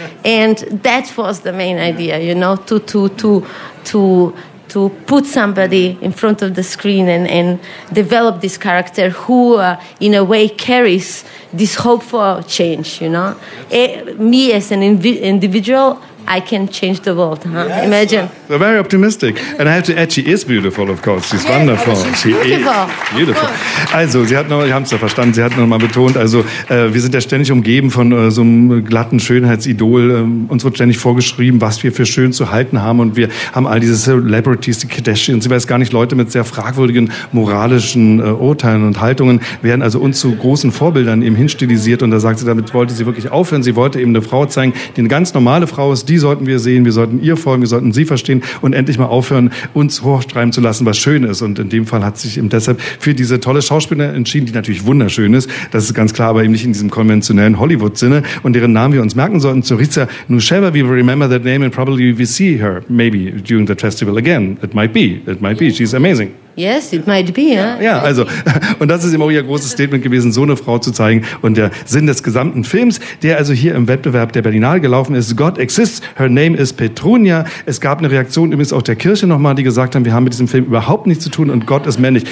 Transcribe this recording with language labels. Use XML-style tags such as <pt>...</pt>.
<en>And that was the main idea, you know, to put somebody in front of the screen and develop this character who, in a way, carries this hope for change, you know? Me as an individual, I can change the world, huh? Yes. Imagine. So very optimistic. And I have to add, she is beautiful, of course. She's wonderful. She's beautiful.</en> <de>Also, Sie hat noch, ich habe es ja verstanden, Sie hat noch mal betont, also wir sind ja ständig umgeben von so einem glatten Schönheitsidol. Uns wird ständig vorgeschrieben, was wir für schön zu halten haben. Und wir haben all diese Celebrities, die Kardashians. Sie weiß gar nicht, Leute mit sehr fragwürdigen moralischen Urteilen und Haltungen werden also uns zu großen Vorbildern eben hinstilisiert. Und da sagt sie, damit wollte sie wirklich aufhören. Sie wollte eben eine Frau zeigen, die eine ganz normale Frau ist. Die sollten wir sehen, wir sollten ihr folgen, wir sollten sie verstehen und endlich mal aufhören, uns hochschreiben zu lassen, was schön ist. Und in dem Fall hat sich eben deshalb für diese tolle Schauspielerin entschieden, die natürlich wunderschön ist, das ist ganz klar, aber eben nicht in diesem konventionellen Hollywood-Sinne und deren Namen wir uns merken sollten, Tsuritsa Nusheva.</de> <en>We will remember that name and probably we see her maybe during the festival again. It might be, she's amazing. Yes, it might be. Huh?</en> <de>Ja, also, und das ist eben auch ihr großes Statement gewesen, so eine Frau zu zeigen. Und der Sinn des gesamten Films, der also hier im Wettbewerb der Berlinale gelaufen ist, God Exists, Her Name is Petrunia. Es gab eine Reaktion übrigens auch der Kirche nochmal, die gesagt haben, wir haben mit diesem Film überhaupt nichts zu tun und Gott ist männlich.</de>